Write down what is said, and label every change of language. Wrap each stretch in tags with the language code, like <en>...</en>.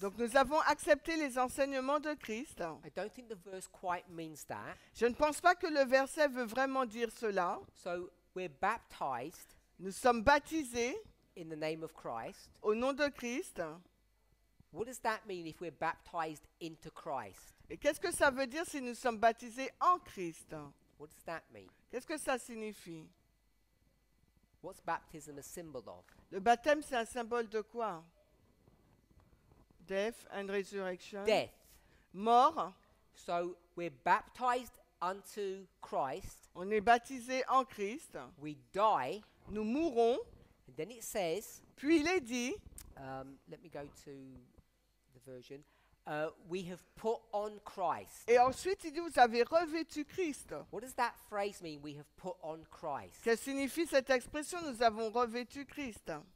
<fr>Donc nous avons accepté les enseignements de Christ.</fr> <en>I don't think the verse quite means that.</en> <fr>Je ne pense pas que le verset veut vraiment dire cela.</fr> <en>So we're baptized.</en> <fr>Nous sommes baptisés.</fr> <en>In the name of Christ.</en> <fr>Au nom de Christ.</fr> <en>What does that mean if we're baptized into Christ?</en> <fr>Et qu'est-ce que ça veut dire si nous sommes baptisés en Christ?</fr> <en>What does that mean?</en> <fr>Qu'est-ce que ça signifie?</fr> <en>What's baptism a symbol of?</en> <fr>Le baptême, c'est un symbole de quoi?</fr> <en>Death and resurrection. Death.</en> <fr>Mort.</fr> <en>So we're baptized unto Christ.</en> <fr>On est baptisé en Christ.</fr> <en>We die.</en> <fr>Nous mourons.</fr> <en>And then it says.</en> <fr>Puis il est dit.</fr> <en>Let me go to the version. We have put on Christ.</en> <fr>Et ensuite, il dit, vous avez revêtu Christ.</fr> <en>What does that phrase mean, we have put on Christ?</en> <fr>Que signifie cette expression, nous avons revêtu Christ?</fr>